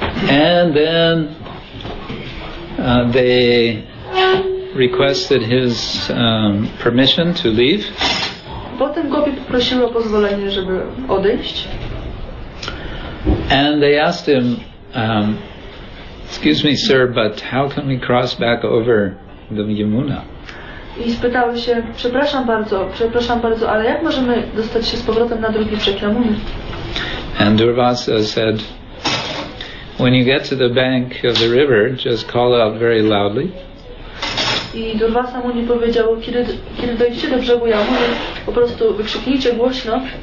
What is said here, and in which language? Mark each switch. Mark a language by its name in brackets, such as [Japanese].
[English] And then they requested his permission to leave. [Polish] Potem gopi poprosiły o pozwolenie, żeby odejść. [English] And they asked him, excuse me, sir, but how can we cross back over the Yamuna? [Polish] I spytały się, przepraszam bardzo, ale jak możemy dostać się z powrotem na drugi brzeg Yamuny? [English] And Durvasa said, when you get to the bank of the river, just call out very loudly. [Polish] I Durvasa mu nie powiedział, kiedy dojdziecie do brzegu Yamuny, po prostu wykrzyknijcie głośno.